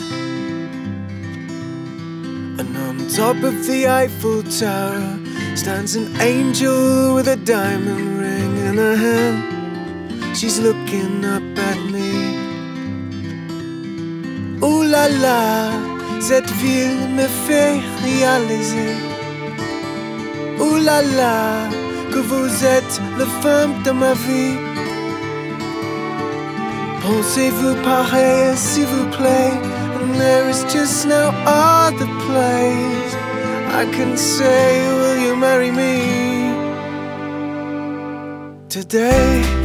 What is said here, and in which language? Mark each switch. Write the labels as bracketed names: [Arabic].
[English] And on top of the Eiffel Tower stands an angel with a diamond ring in her hand. She's looking up at me. [French] Ooh la la, cette ville me fait réaliser. Ooh la la, que vous êtes la femme de ma vie. Pensez-vous pareil, s'il vous plaît. [English] And there is just no other place I can say, will you marry me today?